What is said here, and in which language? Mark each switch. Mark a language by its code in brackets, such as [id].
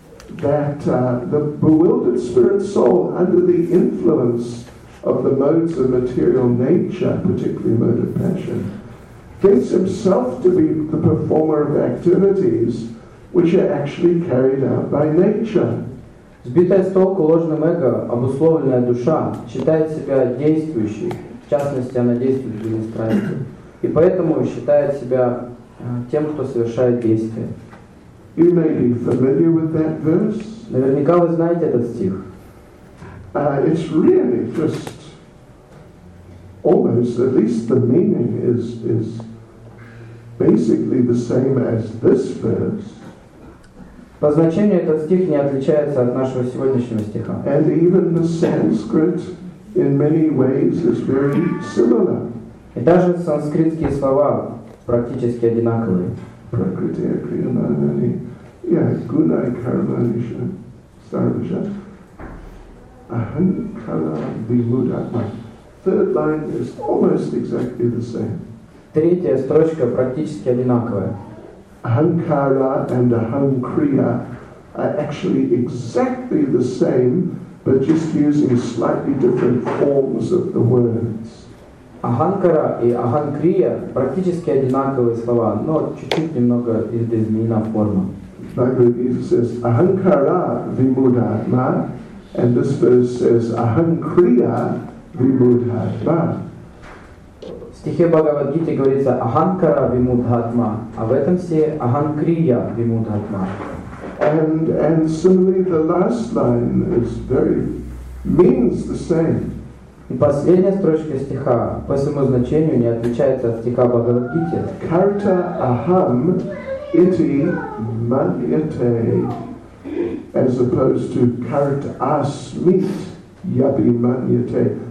[en] That the bewildered spirit soul under the influence of the modes of material nature, particularly the mode of passion, thinks himself to be the performer of activities which are actually carried out by nature. [ru] Сбитая с толку ложным эго, обусловленная душа считает себя действующей, в частности она действует в виде страсти, и поэтому считает себя тем, кто совершает действия. [en] You may be familiar with that verse. [ru] Наверняка вы знаете этот стих. [en] It's really just almost, at least the meaning is basically the same as this verse. [ru] По значению этот стих не отличается от нашего сегодняшнего стиха. [en] And even the Sanskrit in many ways is very similar. [ru] И даже санскритские слова практически одинаковые. [sa] Prakriti akriyamanani. Yeah, gunai karmanisha sarvasha. Ahankara vimudatma. [en] Third line is almost exactly the same. [ru] Третья строчка практически одинаковая. [en] Ahankara and ahankriya are actually exactly the same, but just using slightly different forms of the words. [ru] Аханкара и аханкрия практически одинаковые слова, но чуть-чуть немного изменена форма. [en] Bhagavad Gita says [sa] ahankara vimudatma, [en] and this verse says [sa] ahankriya vimudatma. [ru] В стихе Бхагавад Гиты говорится [sa] ahankara vimudatma, [ru] а в этом стихе [sa] ahankriya vimudatma. [en] And similarly, the last line is very means the same. [ru] И последняя строчка стиха по своему значению не отличается от стиха Бхагавад Гиты. [sa] Карта ахам ити маньяте, [en] as opposed to [sa] карт асмит яби маньяте.